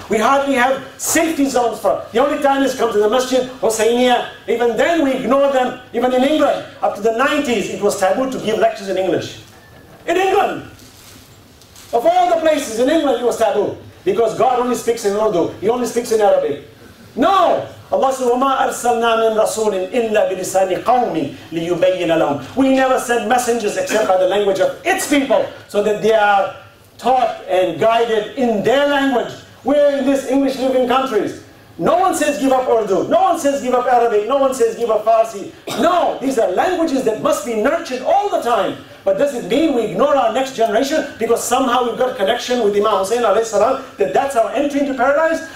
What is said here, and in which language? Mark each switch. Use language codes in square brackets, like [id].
[en] We hardly have safety zones for them. The only time is come to the masjid, Hosseinia. Even then, we ignore them. Even in England, up to the 90s, it was taboo to give lectures in English. In England, of all the places in England, it was taboo. Because God only speaks in Urdu. He only speaks in Arabic. No! Allah says, [ar] وَمَا أَرْسَلْنَا مِنْ رَسُولٍ إِلَّا بِلِسَانِ قَوْمٍ لِيُبَيِّنَ لَهُمْ. [en] We never send messengers except by the language of its people, so that they are taught and guided in their language. We're in these English-living countries. No one says give up Urdu. No one says give up Arabic. No one says give up Farsi. No! These are languages that must be nurtured all the time. But does it mean we ignore our next generation because somehow we've got a connection with Imam Hussein alayhi salam, that that's our entry into paradise?